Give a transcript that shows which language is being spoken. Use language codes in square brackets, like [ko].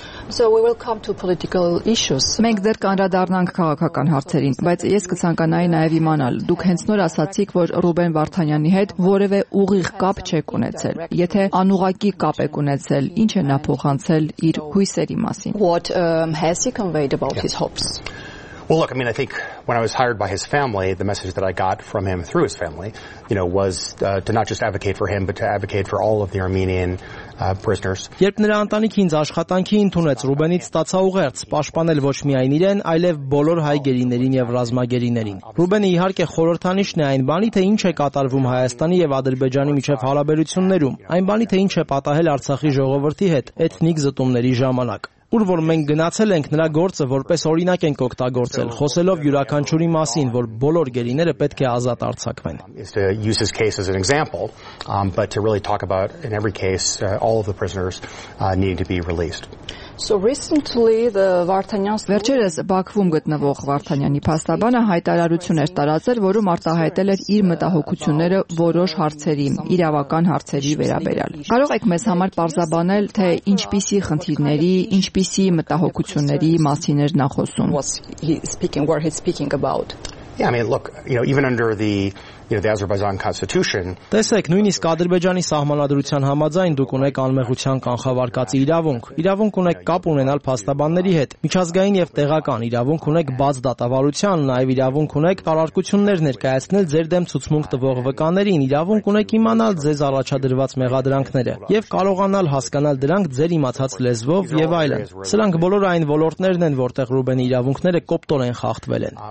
[en] So we will come to political issues. [hy] Մենք դեռ կանրադառնանք քաղաքական հարցերին, բայց ես կցանկանայի նաև իմանալ, դուք հենց նոր ասացիք, որ Ռուբեն Վարդանյանի հետ որևէ ուղիղ կապ չեք ունեցել։ Եթե անուղակի կապ եք ունեցել, ի՞նչ է նա փոխանցել իր հույսերի մասին։ [en] What has he conveyed about his hopes? Well, look, I mean, I think when I was hired by his family, the message that I got from him through his family, you know, was to not just advocate for him, but to advocate for all of the Armenian prisoners. [hy] Երբ նրա ընտանիքի ինձ աշխատանքի ընդունեց, Ռուբենից ստացա ուղերձ պաշտպանել ոչ միայն իրեն, այլև բոլոր հայ գերիներին եւ ռազմագերիներին։ Ռուբենը իհարկե խորհրդանիշն է այն բանի, թե ինչ է կատարվում Հայաստանի եւ Ադրբեջանի միջև հարաբերություններում, այն բանի, թե ինչ է պատահել Արցախի ժողովրդի հետ էթնիկ զտումների ժամանակ։ ուր որ մենք գնացել ենք նրա գործը որպես օրինակ ենք օգտագործել, խոսելով յուրաքանչյուրի մասին, որ բոլոր գերիները պետք է ազատ արձակվեն. [en] Is to use his case as an example, but to really talk about in every case all of the prisoners need to be released. So recently the Vartanyan's [hy] վերջերս Բաքվում գտնվող Վարդանյանի փաստաբանը հայտարարություն էր տարածել, որում արտահայտել էր իր մտահոգությունները որոշ հարցերի, իրավական հարցերի վերաբերյալ։ Կարո՞ղ եք մեզ համար պարզաբանել, թե ինչպիսի խնդիրների, ինչպիսի մտահոգությունների մասին էր նա խոսում։ [en] Yeah, I mean, look, you know, even under the, you know, the Azerbaijan constitution, [hy] տեսեք, նույնիսկ Ադրբեջանի սահմանադրության համաձայն դուք ունեք անմեղության կանխավարկածի իրավունք։ Իրավունք ունեք կապ ունենալ փաստաբանների հետ, միջազգային եւ տեղական իրավունք ունեք բաց դատավարության, նաեւ իրավունք ունեք առարկություններ ներկայացնել ձեր դեմ ցուցմունք տվող վկաներին, իրավունք ունեք իմանալ ձեզ առաջադրված մեղադրանքները եւ կարողանալ հասկանալ դրանք ձեր իմացած լեզվով եւ այլն։ Սրանք բոլոր այն ոլորտներն են, որտեղ Ռուբենի իրավունքները կոպտորեն խախտվել են։